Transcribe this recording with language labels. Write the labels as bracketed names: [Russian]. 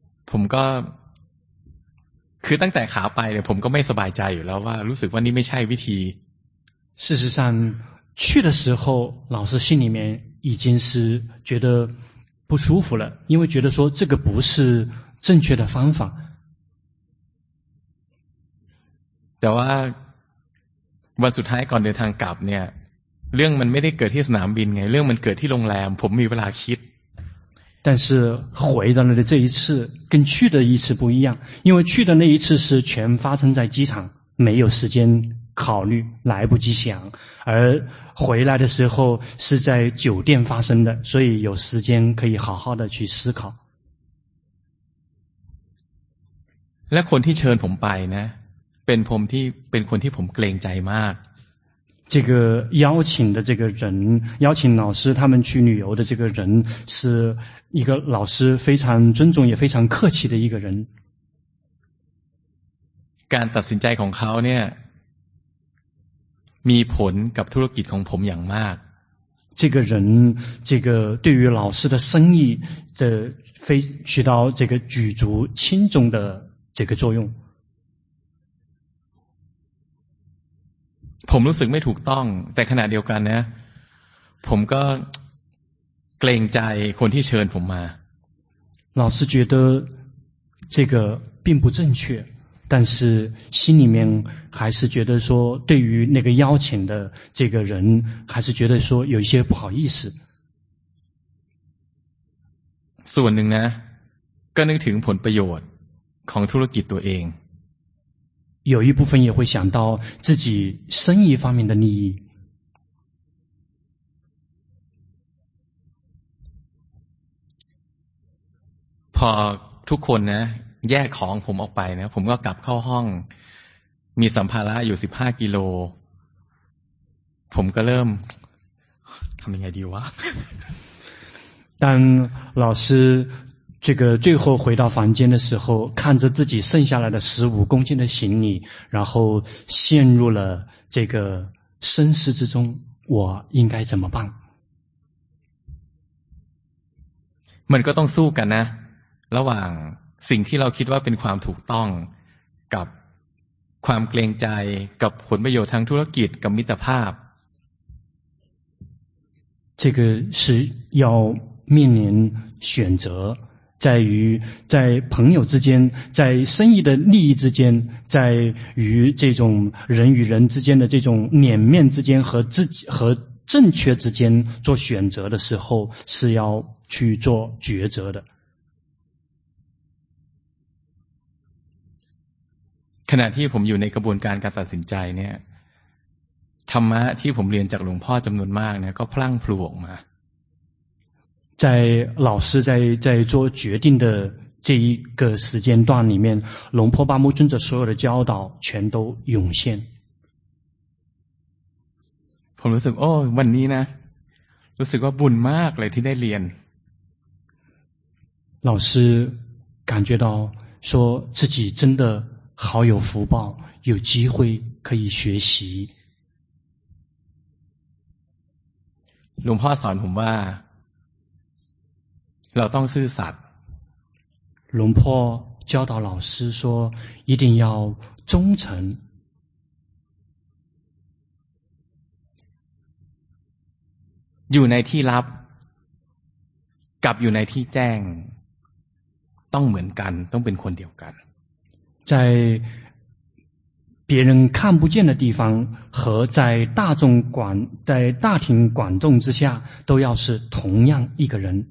[Thai] ผมก็คือตั้งแต่ขาไปเนี่ยผมก็ไม่สบายใจอยู่แล้วว่ารู้สึกว่านี่ไม่ใช่วิธี [Chinese] 事实上去的时候老师心里面已经是觉得不舒服了因为觉得说这个不是正确的方法 [Thai] แต่ว่าวันสุดท้ายก่อนเดินทางกลับเนี่ยเรื่องมันไม่ได้เกิดที่สนามบินไงเรื่องมันเกิดที่โรงแรมผมมีเวลาคิด [Chinese] 但是回到了这一次跟去的一次不一样因为去的那一次是全发生在机场没有时间考虑，来不及想，而回来的时候是在酒店发生的，所以有时间可以好好的去思考。 [Thai] และคนที่เชิญผมไปนะเป็นผมที่เป็นคนที่ผมเกรงใจมาก [Chinese] 这个邀请的这个人邀请老师他们去旅游的这个人是一个老师非常尊重也非常客气的一个人 [Thai] การตัดสินใจของเขาเนี่ยมีผลกับธุรกิจของผมอย่างมาก [Chinese] 这个人这个对于老师的生意的非起到这个举足轻重的这个作用 [Thai] ผมรู้สึกไม่ถูกต้องแต่ขณะเดียวกันนะผมก็เกรงใจคนที่เชิญผมมา [Chinese] 老师觉得这个并不正确但是心里面还是觉得说对于那个邀请的这个人还是觉得说有一些不好意思 [Thai] ส่วนหนึ่งนะก็นึกถึงผลประโยชน์ของธุรกิจตัวเอง [Chinese] 有一部分也会想到自己生意方面的利益 [Thai] พอทุกคนนะแยกของผมออกไปนะผมก็กลับเข้าห้องมีสัมภาระอยู่15กิโลผมก็เริ่มทำยังไงดีวะ [Chinese] 当老师这个最后回到房间的时候看着自己剩下来的15公斤的行李然后陷入了这个深思之中我应该怎么办 [Thai] มันก็ต้องสู้กันนะระหว่างสิ่งที่เราคิดว่าเป็นความถูกต้องกับความเกรงใจกับผลประโยชน์ทางธุรกิจกับมิตรภาพ [Chinese] 这个是要面临选择在于在朋友之间在生意的利益之间在于这种人与人之间的这种脸面之间和自己和正确之间做选择的时候是要去做抉择的 [Thai] ขณะที่ผมอยู่ในกระบวนการการตัดสินใจเนี่ยธรรมะที่ผมเรียนจากหลวงพ่อจำนวนมากเนี่ยก็พลั่งพลูออกมา [Chinese] 在老师在做决定的这一个时间段里面龙婆巴木尊者所有的教导全都涌现 [Thai] ผมรู้สึกโอ้วันนี้นะรู้สึกว่าบุญมากเลยที่ได้เรียน [Chinese] 老师感觉到说自己真的好有福报有机会可以学习 [Thai] หลวงพ่อสอนผมว่าเราต้องซื่อสัตย์ [Chinese] หลวงพ่อ教导老师说一定要忠诚 [Thai] อยู่ในที่ลับกับอยู่ในที่แจ้งต้องเหมือนกันต้องเป็นคนเดียวกัน [Chinese] 在别人看不见的地方和在大众广在大庭广众之下都要是同样一个人